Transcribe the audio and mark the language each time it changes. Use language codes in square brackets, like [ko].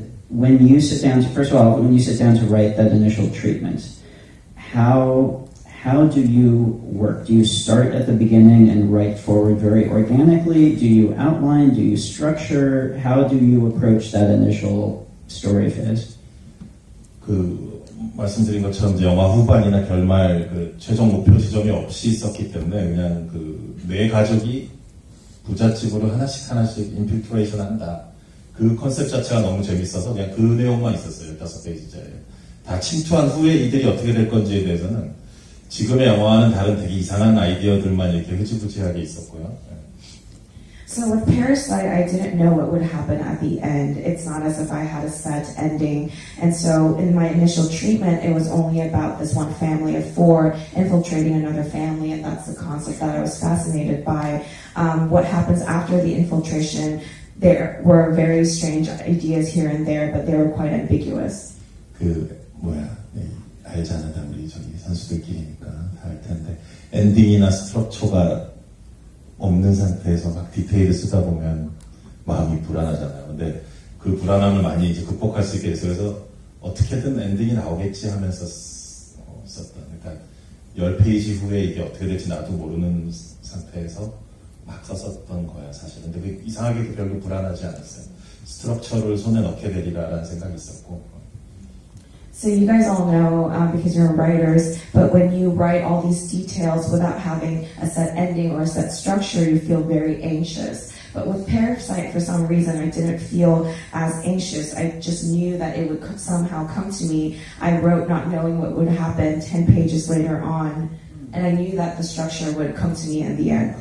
[en] When you sit down to, first of all, when you sit down to write that initial treatment, how do you work? Do you start at the beginning and write forward very organically? Do you outline? Do you structure? How do you approach that initial story phase? [ko] 그 말씀드린 것처럼 이제 영화 후반이나 결말 그 최종 목표 시점이 없이 썼기 때문에 그냥 그 네 가족이 부잣집으로 하나씩 인필트레이션 한다. 그 컨셉 자체가 너무 재밌어서 그냥 그 내용만 있었어요. 5페이지짜리. 다 침투한 후에 이들이 어떻게 될 건지에 대해서는 지금의 영화와는 다른 되게 이상한 아이디어들만 이렇게 흐지부지하게 있었고요. [en] So with Parasite, I didn't know what would happen at the end. It's not as if I had a set ending. And so in my initial treatment, it was only about this one family of four infiltrating another family, and that's the concept that I was fascinated by. What happens after the infiltration, there were very strange ideas here and there, but they were quite ambiguous. [ko] 그 뭐야, 네, 알잖아, 다 우리 저기 선수들끼리니까 다 알 텐데 엔딩이나 스트럭처가 없는 상태에서 막 디테일을 쓰다 보면 마음이 불안하잖아요. 근데 그 불안함을 많이 이제 극복할 수 있게 해서 그래서 어떻게든 엔딩이 나오겠지 하면서 썼던. 그러니까 10페이지 후에 이게 어떻게 될지 나도 모르는 상태에서 막 썼었던 거야 사실. 근데 이상하게도 별로 불안하지 않았어요. 스트럭처를 손에 넣게 되리라라는 생각이 있었고. [en] So you guys all know because you're writers, but when you write all these details without having a set ending or a set structure, you feel very anxious. But with Parasite, for some reason, I didn't feel as anxious. I just knew that it would somehow come to me. I wrote not knowing what would happen 10 pages later on, and I knew that the structure would come to me in the end.